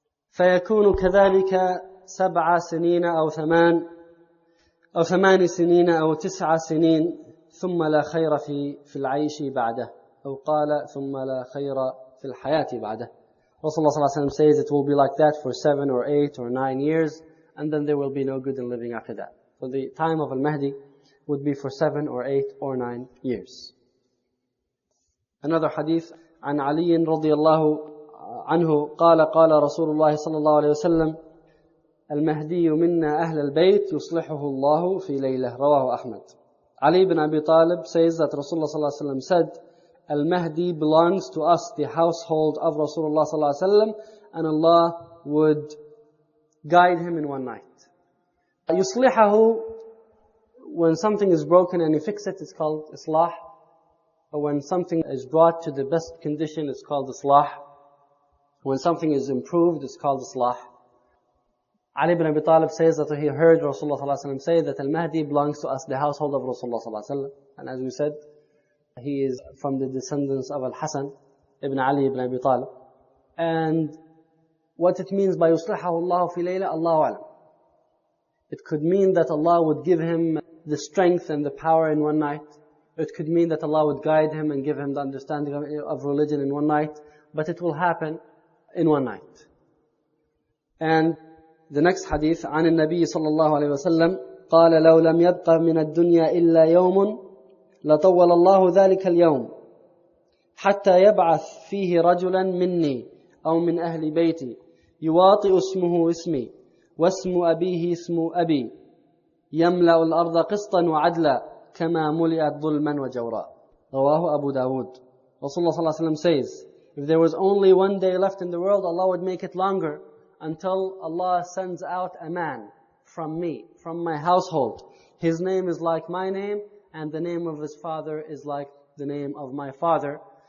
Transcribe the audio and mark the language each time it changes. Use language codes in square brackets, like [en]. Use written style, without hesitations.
[ar] فَيَكُونُ كَذَلِكَ سَبْعَ سِنِينَ أَوْ ثَمَانِ سِنِينَ أَوْ تِسْعَ سِنِينَ ثُمَّ لَا خَيْرَ فِي الْعَيْشِ بَعْدَهُ أَوْ قَالَ ثُمَّ لَا خَيْرَ فِي الْحَيَاةِ بَعْدَهُ. [en] Rasulullah [ar] صلى الله عليه وسلم [en] says it will be like that for 7 or 8 or 9 years and then there will be no good in living after that. So the time of Al-Mahdi would be for 7 or 8 or 9 years. Another hadith [ar] عن علي رضي الله عنه قال قال رسول الله صلى الله عليه وسلم المهدي منا أهل البيت يصلحه الله في ليلة رواه أحمد. [en] علي بن أبي طالب says that Rasulullah [ar] صلى الله عليه وسلم [en] said المهدي belongs to us, the household of Rasulullah صلى الله عليه وسلم, and Allah would guide him in one night. يصلحه, when something is broken and you fix it, it's called إصلاح. Or when something is brought to the best condition, it's called إصلاح. When something is improved, it's called islah. Ali ibn Abi Talib says that he heard Rasulullah ﷺ say that al-Mahdi belongs to us, the household of Rasulullah ﷺ. And as we said, he is from the descendants of al-Hasan, ibn Ali ibn Abi Talib. And what it means by yuslihahu Allahu fi layla, Allahu alam. It could mean that Allah would give him the strength and the power in one night. It could mean that Allah would guide him and give him the understanding of religion in one night. But it will happen in one night. And the next hadith [ar] عن النبي صلى الله عليه وسلم قال لو لم يبق من الدنيا إلا يوم لطول الله ذلك اليوم حتى يبعث فيه رجلا مني أو من أهل بيتي يواطئ اسمه اسمي واسم أبيه اسم أبي يملأ الأرض قسطا وعدلا كما ملئت ظلما وجورا رواه أبو داود. رسول الله صلى الله عليه وسلم [en] says, if there was only one day left in the world, Allah would make it longer until Allah sends out a man from me, from my household. His name is like my name and the name of his father is like the name of my father.